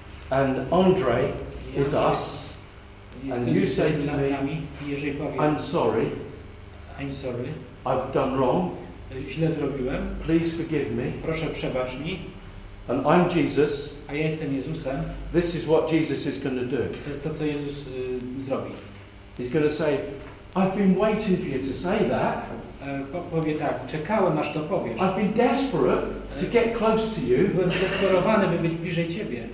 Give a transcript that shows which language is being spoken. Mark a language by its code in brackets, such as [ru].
[en] and Andre is us, and you say to me, [pl] nami, jeżeli powiem, [en] I'm sorry, I've done wrong, [pl] źle zrobiłem, [en] please forgive me, [pl] proszę przebacz mi, [en] and I'm Jesus, [pl] a ja jestem Jezusem, [en] this is what Jesus is going to do. [pl] To jest to, co Jezus zrobi. [en] He's going to say, I've been waiting for you to say that. [pl] Powie tak, czekałem, aż to powiesz. [en] I've been desperate to get close to you. [pl] Byłem zdesperowany, by być bliżej Ciebie.